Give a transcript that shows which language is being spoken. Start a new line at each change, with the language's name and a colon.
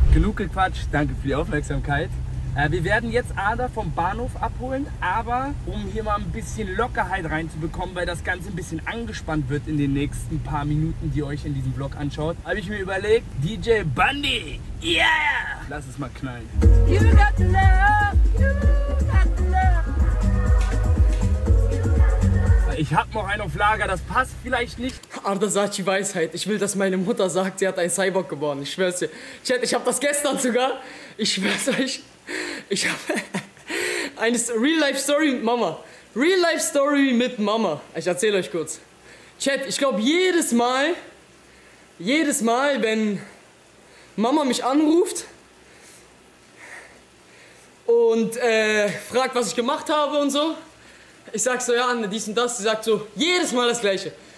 German: Genug gequatscht, danke für die Aufmerksamkeit. Wir werden jetzt Ada vom Bahnhof abholen, aber um hier mal ein bisschen Lockerheit reinzubekommen, weil das Ganze ein bisschen angespannt wird in den nächsten paar Minuten, die ihr euch in diesem Vlog anschaut, habe ich mir überlegt, DJ Bundy, yeah! Lass es mal knallen.
English: You got the love, you got the love.
German: Ich hab noch einen auf Lager, das passt vielleicht nicht. Ada sagt die Weisheit, ich will, dass meine Mutter sagt, sie hat einen Cyborg geboren, ich schwör's dir. Chat, ich hab das gestern sogar, ich schwör's euch. Ich habe eine Real-Life-Story mit Mama. Real-Life-Story mit Mama. Ich erzähle euch kurz. Chat, ich glaube jedes Mal, wenn Mama mich anruft und fragt, was ich gemacht habe und so, ich sag so, ja, dies und das, sie sagt so, jedes Mal das Gleiche.